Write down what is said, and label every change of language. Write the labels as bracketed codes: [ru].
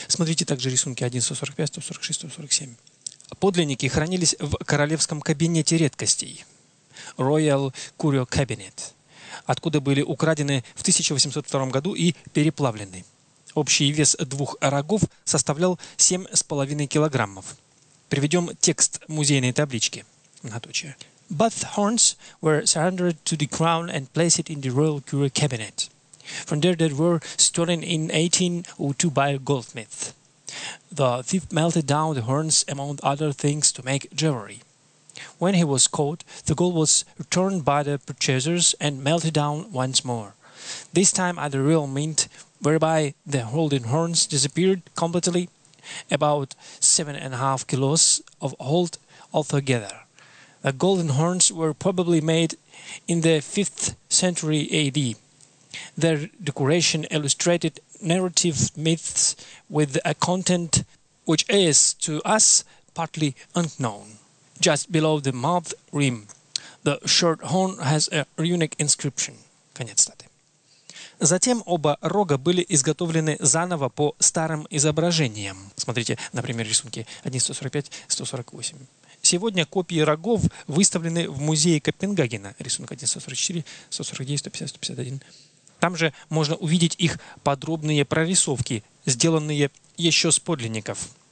[ru] Смотрите также рисунки 1.145, 146, 147. Подлинники хранились в королевском кабинете редкостей. [en] Royal Curio Cabinet. [ru] Откуда были украдены в 1802 году и переплавлены. Общий вес двух рогов составлял 7,5 килограммов. Приведем текст музейной таблички. Многоточие. [en] Both horns were surrendered to the crown and placed in the Royal Curio Cabinet. From there they were stolen in 1802 by a goldsmith. The thief melted down the horns, among other things, to make jewelry. When he was caught, the gold was returned by the purchasers and melted down once more. This time at the real mint, whereby the golden horns disappeared completely, about 7.5 kilos of gold altogether. The golden horns were probably made in the 5th century AD. Their decoration illustrated narrative myths with a content which is, to us, partly unknown. Just below the mouth rim, the short horn has a runic inscription. [ru] Конец статы. Затем оба рога были изготовлены заново по старым изображениям. Смотрите, например, рисунки 1.145-148. Сегодня копии рогов выставлены в музее Копенгагена. Рисунок 1.144-149-150-151. Там же можно увидеть их подробные прорисовки, сделанные еще с подлинников.